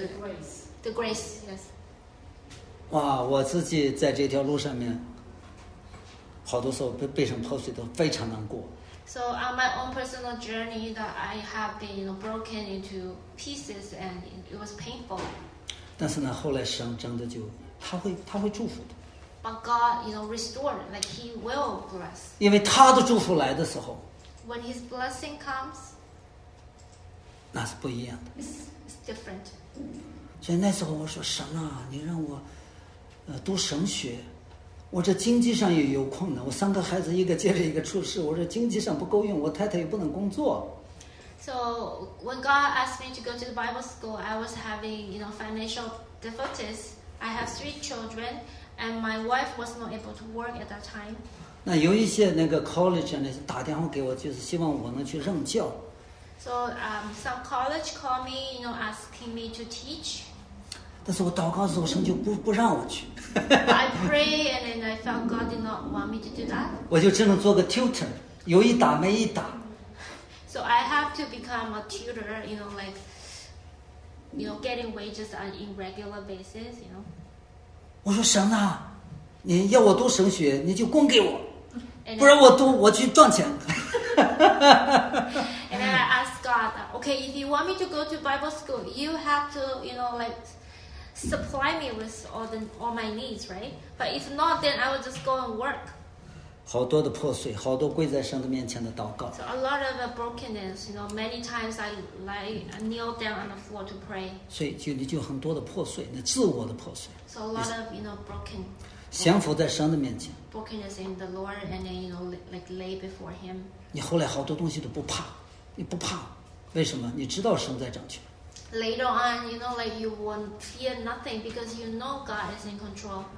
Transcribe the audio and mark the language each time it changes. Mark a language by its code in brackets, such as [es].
[en] the grace. The grace, yes. [zh] 哇，我自己在这条路上面，好多时候被神破碎都非常难过。 [en] So on my own personal journey, that I have been, you know, broken into pieces, and it was painful. [zh] 但是呢，后来神真的就他会祝福的。 [en] But God, you know, restored, like He will bless. [zh] 因为他的祝福来的时候 [en] ，When His blessing comes, [zh] 那是不一样的。 [en] It's different. [zh] 所以那时候我说神啊，你让我，读神学，我这经济上也有困难，我三个孩子一个接着一个出事，我这经济上不够用，我太太又不能工作。 [en] So when God asked me to go to the Bible school, I was having, you know, financial difficulties. I have three children. and my wife was not able to work at that time. [zh] 那有一些那个 college 呢，打电话给我，就是希望我能去任教。 [en] So some college called me, you know, asking me to teach. [zh] 但是我祷告的时候，神就不让我去。 [en] I pray and then I felt God did not want me to do that. [zh] 我就只能做个 tutor, 有一打没一打。 [en] So I have to become a tutor, you know, like, you know, getting wages on an irregular basis, you know. [zh] 我说神啊，你要我读神学，你就供给我，不然我读我去赚钱。 [en] And then I asked God, okay, if you want me to go to Bible school, you have to, you know, like, supply me with all my needs, right? But if not, then I will just go and work. [zh] 好多的破碎，好多跪在神的面前的祷告。 [en] So a lot of brokenness, you know, many times I kneel down on the floor to pray. [zh] 所以就很多的破碎，那自我的破碎。 [en] So a lot of, you know, broken. [zh] 降服在神的面前。 [en] Brokenness in the Lord, and then, you know, like lay before Him. [zh] 你后来好多东西都不怕，你不怕，为什么？你知道神在掌权。 [en] Later on, you know, like you won't fear nothing because you know God is in control.